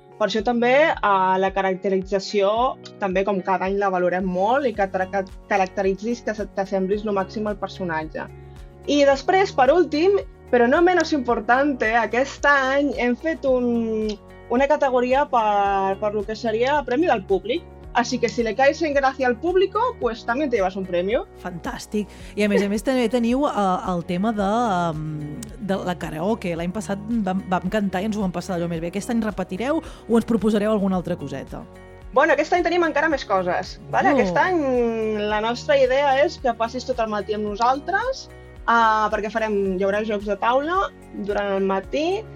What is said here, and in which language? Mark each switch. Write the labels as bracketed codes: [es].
[ca] Per això també la caracterització, també com cada any la valorem molt i que caracteritzis, que t'assemblis el màxim al personatge. I després, per últim, però no menys importante, aquest any hem fet una categoria per el que seria Premi del Públic. [es] Así que si le caes en gracia al público, pues también te llevas un premio. [ca] Fantàstic. I a més també teniu el tema de la karaoke. L'any passat vam cantar i ens ho vam passar allò més bé. Aquest any repetireu o ens proposareu alguna altra coseta? Bueno, aquest any tenim encara més coses. Vale? Oh. Aquest any la nostra idea és que passis tot el matí amb nosaltres, perquè hi haurà jocs de taula durant el matí.